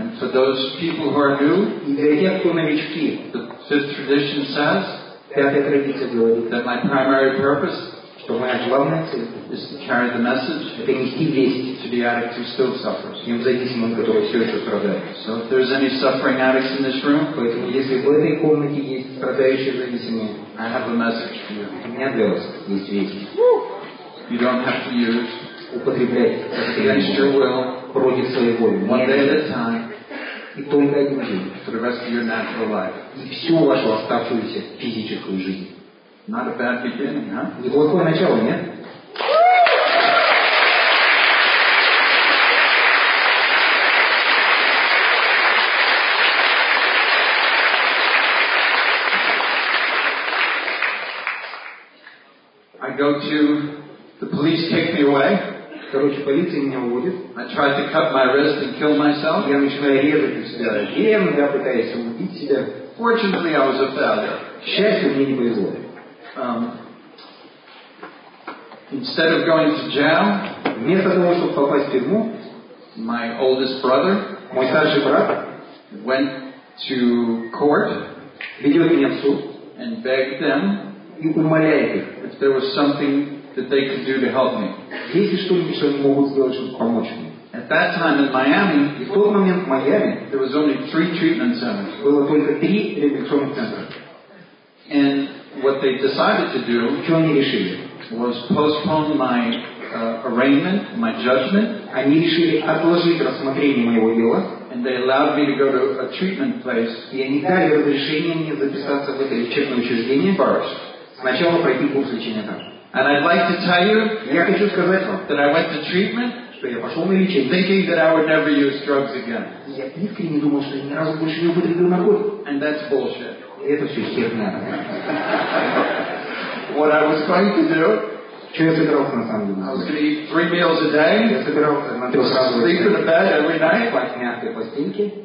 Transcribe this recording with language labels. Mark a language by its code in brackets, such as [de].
[en] And for those people who are new. [ru] И для тех, кто новички. [en] The fifth tradition says. [ru] Пятая традиция говорит. [en] That my primary purpose. [ru] Что моя главная цель, [en] is to carry the message, [ru] это нести весть [en] to the addict who still suffers, [ru] тем зависимым, который все еще страдает. [en] So if there's any suffering addicts in this room, [ru] поэтому если в этой комнате есть страдающие зависимые, [en] I have a message for you. [ru] У меня для вас есть весть. [en] You don't have to use, [ru] употреблять [en] against your will, [ru] против своей воли. [en] One day at a time, [ru] и только один день, [en] for the rest of your natural life, [ru] и всю вашу оставшуюся физическую жизнь. [en] Not a bad beginning, huh? [ru] Неплохое начало, нет? [en] I go to the police, take me away. [ru] Короче, полиция меня уводит. [en] I tried to cut my wrist and kill myself. [ru] Я начинаю резать себя ножом, я пытаюсь убить себя. [en] Fortunately, I was a failure. [ru] Счастью, мне не повезло. [en] Instead of going to jail, [ru] вместо того, чтобы попасть в тюрьму, [en] my oldest brother, [ru] мой старший брат, [en] went to court, [ru] ведет меня в суд, [en] and begged them, [ru] и умоляет их, [en] if there was something that they could do to help me. [ru] Если что-нибудь они могут сделать, чтобы помочь мне. [en] At that time in Miami, [ru] и в тот момент в Майами, [en] there was only three treatment centers. [ru] Было только три реабилитационных центра. [en] And what they decided to do, [ru] что они решили, [en] was postpone my arraignment, my judgment. [ru] Они решили отложить рассмотрение моего дела. [en] And they allowed me to go to a treatment place. [ru] И они дали разрешение мне записаться в это лечебное учреждение. [en] First. [ru] Сначала пройти курс лечения там. [en] And I'd like to tell you. [ru] Я хочу сказать вам. [en] That I went to treatment. [ru] Что я пошел на лечение. [en] Thinking that I would never use drugs again. [ru] Я искренне думал, что я ни разу больше не употреблю наркотики. [en] And that's bullshit. [ru] И это все херня. [en] What I was trying to do. [ru] Что я собирался на самом деле? [en] I was going to eat 3 meals a day. [ru] Я собирался на сразу. [en] Sleep in the bed every night. [ru] Спать мягкой постельки.